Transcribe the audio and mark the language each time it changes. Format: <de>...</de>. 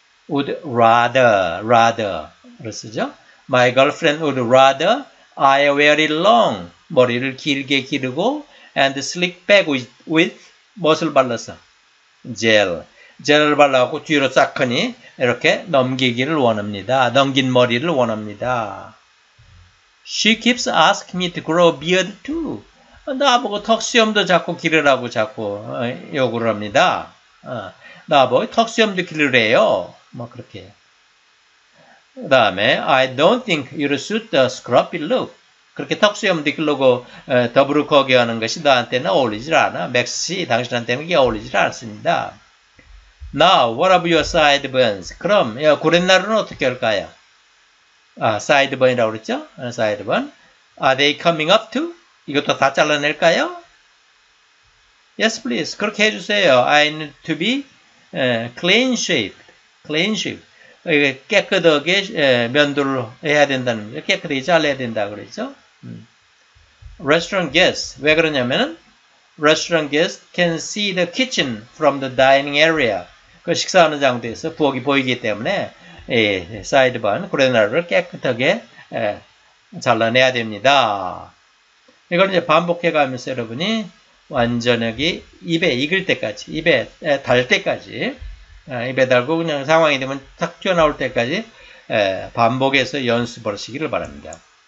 <ko>would rather를 쓰죠.</ko> <en>my girlfriend would rather I wear it long</en> <ko>머리를 길게 기르고</ko> <en>and slick back with</en> <ko>무엇을 발라서 젤 젤을 발라갖고 뒤로 싹하니 이렇게 넘기기를 원합니다. 넘긴 머리를 원합니다.</ko> <en>She keeps asking me to grow a beard too.</en> <ko>나보고 턱수염도 자꾸 기르라고 자꾸 요구를 합니다. 나보고 턱수염도 기르래요. 뭐 그렇게. 그 다음에</ko> <en>I don't think you'll suit the scruffy look.</en> <ko>그렇게 턱수염도 기르고 더부룩하게 하는 것이 너한테는 어울리질 않아. 맥스씨 당신한테는 그게 어울리질 않습니다.</ko> <en>Now, what about your sideburns?</en> <ko>그럼, 야, 구렛나루는 어떻게 할까요?</ko> <en>아, sideburn이라고 그랬죠? sideburn. Are they coming up too?</en> <ko>이것도 다 잘라낼까요?</ko> <en>Yes, please.</en> <ko>그렇게 해주세요.</ko> <en>I need to be clean shaved. Clean shaved.</en> <ko>깨끗하게 면도를 해야 된다는, 깨끗하게 잘라야 된다고 그랬죠?</ko> <en>Restaurant guests.</en> <ko>왜 그러냐면은,</ko> <en>restaurant guests can see the kitchen from the dining area.</en> <ko>그 식사하는 장소에서 부엌이 보이기 때문에 예, 사이드번 그레나루를 깨끗하게 예, 잘라내야 됩니다. 이걸 이제 반복해가면서 여러분이 완전하게 입에 익을 때까지 입에 예, 달 때까지 예, 입에 달고 그냥 상황이 되면 탁 튀어나올 때까지 예, 반복해서 연습을 하시기를 바랍니다.</ko>